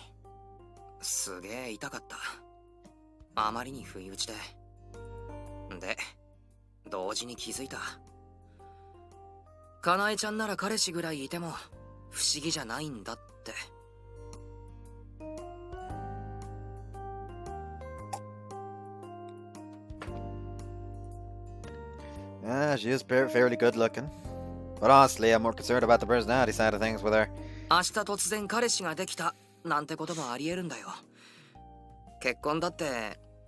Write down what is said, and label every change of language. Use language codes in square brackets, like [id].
[ja] あくまでフリーって言うだけで、俺のことが好きってわけじゃないだろ? [en] True。 [ja] 今までなんだかんだで男の気配がなかったから、安心しきってた。今朝噂を聞いたとき、すげえ痛かった。あまりに不意打ちで。で、同時に気づいた。かなえちゃんなら彼氏ぐらいいても不思議じゃないんだって。 [en] Yeah, she is fairly good looking. But honestly, I'm more concerned about the personality side of things with her. [ja] 明日突然彼氏ができたなんてこともありえるんだよ。結婚だって。